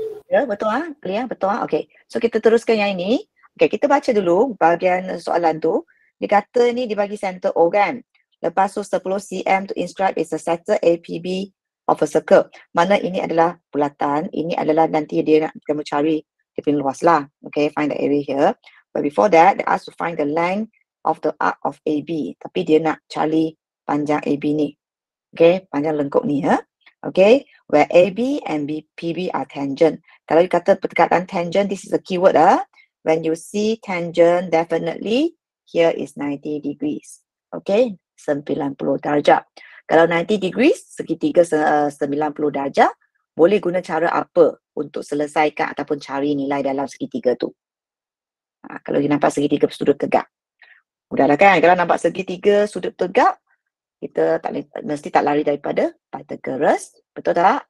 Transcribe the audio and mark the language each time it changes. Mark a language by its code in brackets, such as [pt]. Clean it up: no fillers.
[ms] Ya, betul lah. Ha? Ya, betul lah. Okay. So, kita teruskan yang ini. Okay, kita baca dulu bahagian soalan tu. Dia kata ni dibagi [en] center O [ms] kan? Lepas tu [en] 10 cm to inscribe is the center APB of a circle. [ms] Mana ini adalah bulatan. Ini adalah nanti dia nak kamu cari dia punya luas lah. [en] Okay, find the area here. But before that, they ask to find the length of the arc of AB. [ms] Tapi dia nak cari panjang AB ni. Okay, panjang lengkuk ni ya. [en] Okay, where AB and PB are tangent. [ms] Kalau you kata perkataan tangent, [en] this is a keyword [ms] lah. [en] When you see tangent, definitely here is 90 degrees. [ms] Okay, 90 darjah. Kalau [en] 90 degrees, [ms] segitiga 90 darjah, boleh guna cara apa untuk selesaikan ataupun cari nilai dalam segitiga tu? Ha, kalau you nampak segitiga sudut tegak. Mudahlah kan, kalau nampak segitiga sudut tegak, kita tak mesti tak lari daripada Pythagoras. Betul tak?